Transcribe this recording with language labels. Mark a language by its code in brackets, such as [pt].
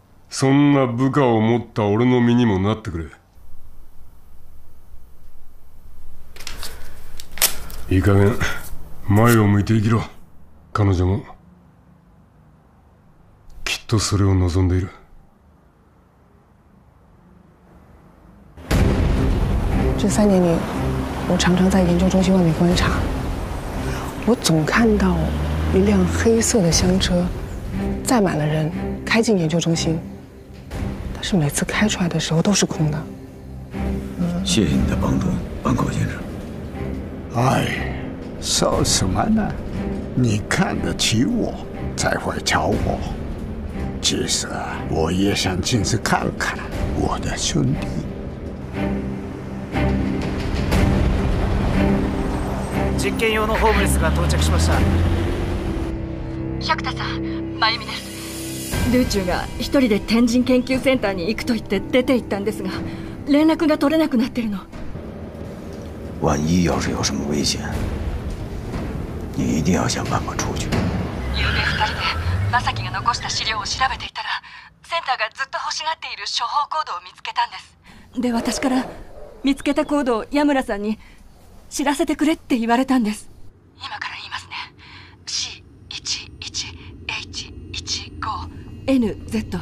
[ja] そんな部下を持った俺の身にもなってくれ。いい加減前を向いて生きろ。彼女もきっとそれを望んでいる。 [zh] 这三年里我常常在研究中心外面观察，我总看到一辆黑色的厢车载满了人开进研究中心，但是每次开出来的时候都是空的。谢谢你的帮助，班口先生。哎，说什么呢，你看得起我才会找我，其实我也想进去看看。我的兄弟。 [ja] 実験用のホームレスが到着しました。百田さん、真由美です。ドゥーチューが一人で天神研究センターに行くと言って出て行ったんですが、連絡が取れなくなってるの。 [zh] 万一要是有什么危险，你一定要想办法出去。 [ja] 昨夜二人でマサキが残した資料を調べていたら、センターがずっと欲しがっている処方コードを見つけたんです。で、私から見つけたコードを矢村さんに知らせてくれって言われたんです。今から言いますね。